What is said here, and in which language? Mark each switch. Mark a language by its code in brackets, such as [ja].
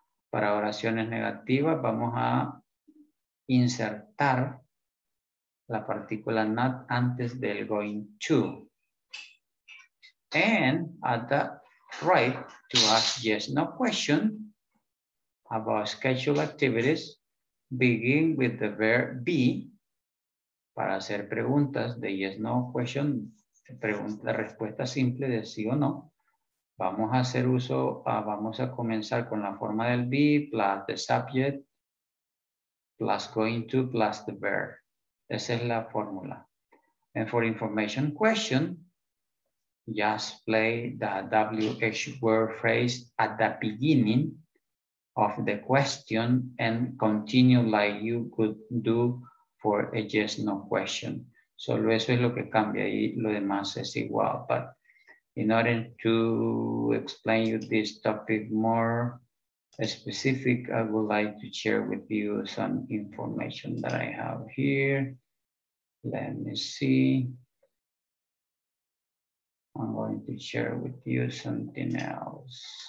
[es] Para oraciones negativas, vamos a insertar la partícula not antes del going to. [en] And at the right, to ask yes, no question, about scheduled activities, begin with the verb be. [es] Para hacer preguntas de [en] yes, no question, [es] pregunta, respuesta simple de sí o no. Vamos a hacer uso, vamos a comenzar con la forma del be [en] plus the subject plus going to plus the verb. [es] Esa es la fórmula. [en] And for information question, just play the WH word phrase at the beginning of the question and continue like you could do for a yes no question. [es] Solo eso es lo que cambia y lo demás es igual. [en] But in order to explain you this topic more specific, I would like to share with you some information that I have here. Let me see. I'm going to share with you something else.